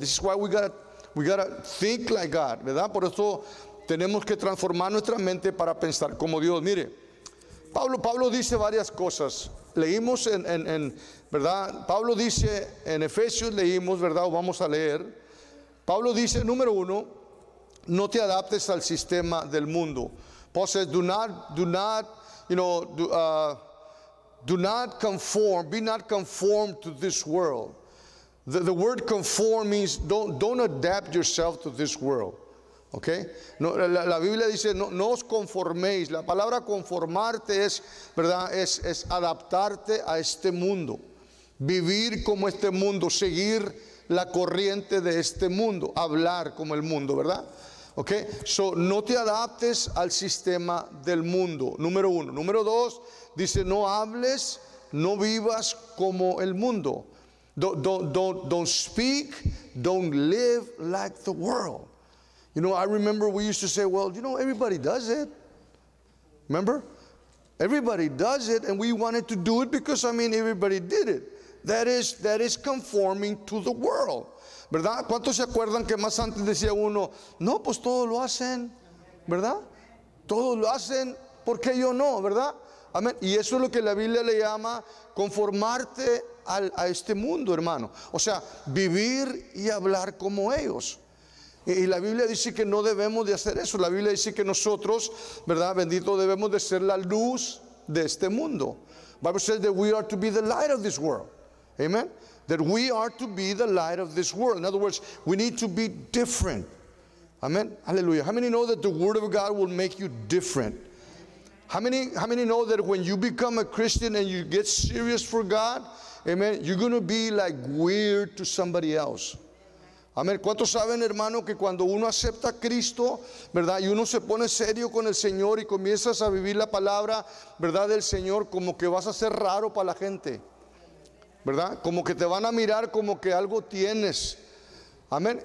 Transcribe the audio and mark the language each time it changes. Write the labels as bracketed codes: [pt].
[en] This is why we got to think like God, ¿verdad? [es] Por eso tenemos que transformar nuestra mente para pensar como Dios. Mire, Pablo dice varias cosas. Leímos en ¿verdad? Pablo dice en Efesios, leímos, ¿verdad? O vamos a leer. Pablo dice, número uno, no te adaptes al sistema del mundo. [en] Paul says, do not conform to this world. The word conform means don't adapt yourself to this world. [es] Okay. No, la Biblia dice no os conforméis. La palabra conformarte es, ¿verdad?, es adaptarte a este mundo. Vivir como este mundo, seguir la corriente de este mundo, hablar como el mundo, ¿verdad? Okay. So no te adaptes al sistema del mundo. Número uno. Número dos, dice no hables, no vivas como el mundo. [en] Don't speak, don't live like the world. You know, I remember we used to say, well, you know, everybody does it. Remember? Everybody does it, and we wanted to do it because, I mean, everybody did it. That is conforming to the world. ¿Verdad? [es] ¿Cuántos se acuerdan que más antes decía uno, no, pues todos lo hacen, ¿verdad? Todos lo hacen, ¿por qué yo no, verdad? Amén. Y eso es lo que la Biblia le llama conformarte a este mundo, hermano. O sea, vivir y hablar como ellos. Y la Biblia dice que no debemos de hacer eso. La Biblia dice que nosotros, ¿verdad?, bendito, debemos de ser la luz de este mundo. [en] Bible says that we are to be the light of this world. Amen. That we are to be the light of this world. In other words, we need to be different. Amen. Hallelujah. How many know that the word of God will make you different? How many know that when you become a Christian and you get serious for God, amen, you're going to be like weird to somebody else. [es] Amén. ¿Cuántos saben, hermano, que cuando uno acepta a Cristo, ¿verdad?, y uno se pone serio con el Señor y comienzas a vivir la palabra, ¿verdad?, del Señor, como que vas a ser raro para la gente, ¿verdad? Como que te van a mirar como que algo tienes. Amén.